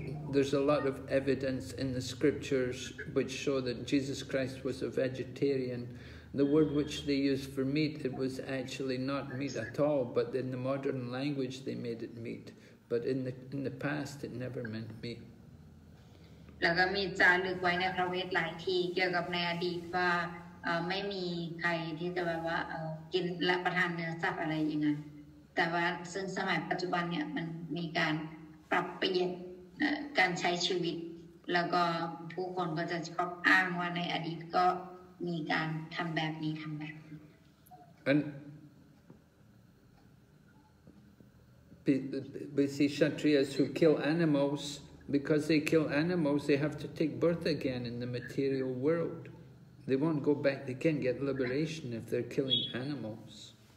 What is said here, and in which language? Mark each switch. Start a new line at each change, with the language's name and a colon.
English: There's a lot of evidence in the scriptures which show that Jesus Christ was a vegetarian. The word which they used for meat, it was actually not meat at all, but in the modern language they made it meat. But in the past, it never meant meat.
Thai: แล้วก็มีจารึกไว้ในพระเวทหลายที่เกี่ยวกับในอดีตว่าไม่มีใครที่จะแบบว่ากินและประทานเนื้อสัตว์อะไรอย่างนั้นแต่ว่าซึ่งสมัยปัจจุบันเนี่ยมันมีการปรับเปลี่ยนการใช้ชีวิตแล้วก็ผู้คนก็จะชอบอ้างว่าในอดีตก็
English: And we see Kshatriyas who kill animals, because they kill animals, they have to take birth again in the material world. They won't go back, they can't get liberation if they're killing animals.